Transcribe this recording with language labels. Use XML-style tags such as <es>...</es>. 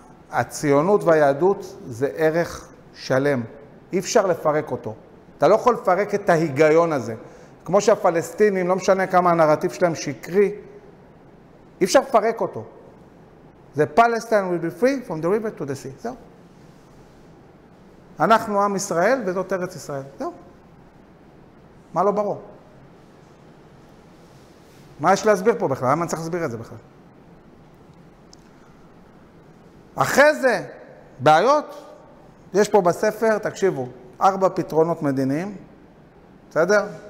<he>הציונות והיהדות זה ערך שלם. אי אפשר לפרק אותו. אתה לא יכול לפרק את ההיגיון הזה. כמו שהפלסטינים, לא משנה כמה הנרטיב שלהם שקרי, אי אפשר לפרק אותו.</he> <en>The Palestine will be free from the river to the sea.</en> <he>זהו. אנחנו עם ישראל וזאת ארץ ישראל. זהו. מה לא ברור? מה יש להסביר פה בכלל? מה אני צריך להסביר את זה בכלל? אחרי זה, בעיות, יש פה בספר, תקשיבו, 4 פתרונות מדיניים, בסדר?</he>